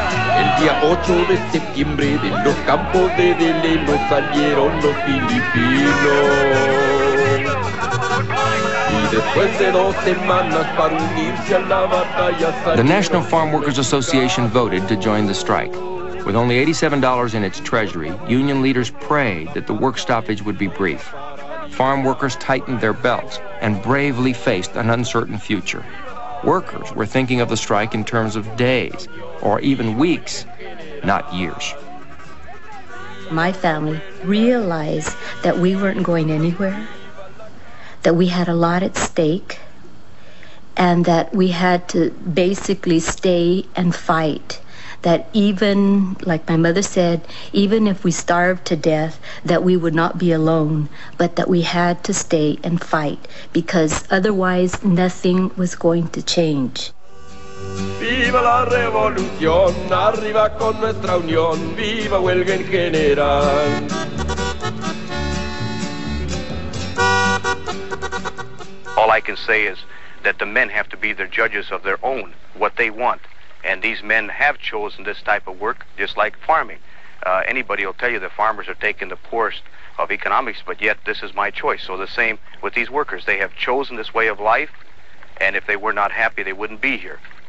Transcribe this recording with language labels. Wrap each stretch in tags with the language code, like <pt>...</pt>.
<es>El día 8 de septiembre de los campos de Deleno salieron los filipinos. Y después de dos semanas para unirse a la batalla salieron.</es> <en>The National Farm Workers Association voted to join the strike. With only $87 in its treasury, union leaders prayed that the work stoppage would be brief. Farm workers tightened their belts and bravely faced an uncertain future. Workers were thinking of the strike in terms of days or even weeks, not years. My family realized that we weren't going anywhere, that we had a lot at stake, and that we had to basically stay and fight. That even, like my mother said, even if we starved to death, that we would not be alone, but that we had to stay and fight, because otherwise nothing was going to change.</en> <es>Viva la revolución, arriba con nuestra unión, viva huelga en general.</es> <en>All I can say is that the men have to be the judges of their own, what they want. And these men have chosen this type of work, just like farming. Anybody will tell you that farmers are taking the poorest of economics, but yet this is my choice. So the same with these workers. They have chosen this way of life, and if they were not happy, they wouldn't be here.</en>